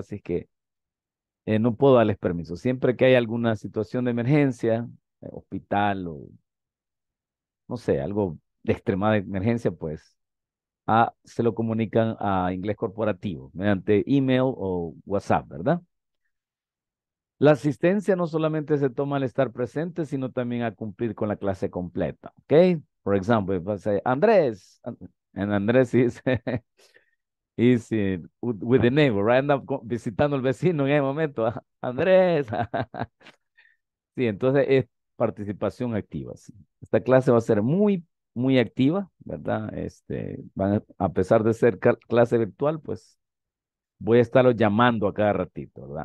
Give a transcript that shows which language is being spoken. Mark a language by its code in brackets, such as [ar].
[es] Así que no puedo darles permiso. Siempre que hay alguna situación de emergencia, hospital o, no sé, algo de extremada emergencia, pues, se lo comunican a Inglés Corporativo mediante email o WhatsApp, ¿verdad? La asistencia no solamente se toma al estar presente, sino también a cumplir con la clase completa, ¿ok? [en] For example, if I say, Andrés, and Andrés is with the neighbor, right? [es] Anda visitando al vecino en ese momento, Andrés. Sí, entonces es participación activa. ¿Sí? Esta clase va a ser muy muy activa, ¿verdad? A pesar de ser clase virtual, pues voy a estarlo llamando a cada ratito, ¿verdad?